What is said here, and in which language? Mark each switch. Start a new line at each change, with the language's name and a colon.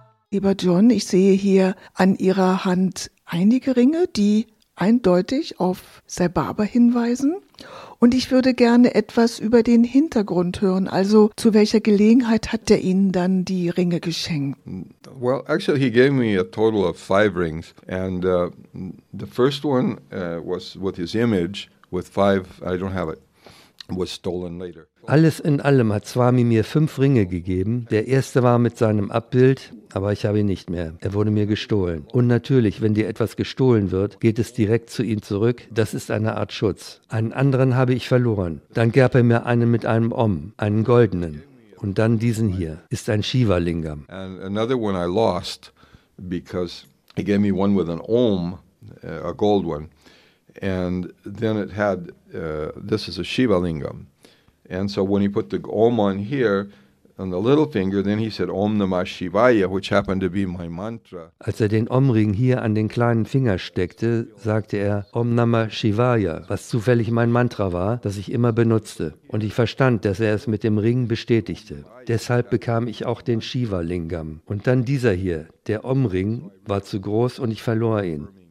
German: Lieber John, ich sehe hier an Ihrer Hand einige Ringe, die eindeutig auf Sai Baba hinweisen. Und ich würde gerne etwas über den Hintergrund hören. Also zu welcher Gelegenheit hat er Ihnen dann die Ringe geschenkt?
English: Well, actually he gave me a total of 5 rings. And the first one was with his image, with 5, I don't have it, was stolen later.
German: Alles in allem hat Swami mir 5 Ringe gegeben. Der erste war mit seinem Abbild, aber ich habe ihn nicht mehr. Er wurde mir gestohlen. Und natürlich, wenn dir etwas gestohlen wird, geht es direkt zu ihm zurück. Das ist eine Art Schutz. Einen anderen habe ich verloren. Dann gab er mir einen mit einem Om, einen goldenen. Und dann diesen hier. Ist ein Shiva-Lingam.
English: And another one I lost, because he gave me one with an Om, a gold one. And then it had, this is a Shiva-Lingam. And so when he put the Om on here, on the little finger, then he said Om Namah Shivaya, which happened to be my mantra.
German: Als er den Om-Ring hier an den kleinen Finger steckte, sagte er Om Namah Shivaya, was zufällig mein Mantra war, das ich immer benutzte. Und ich verstand, dass er es mit dem Ring bestätigte. Deshalb bekam ich auch den Shiva-Lingam. Und dann dieser hier, der Om-Ring, war zu groß und ich verlor ihn.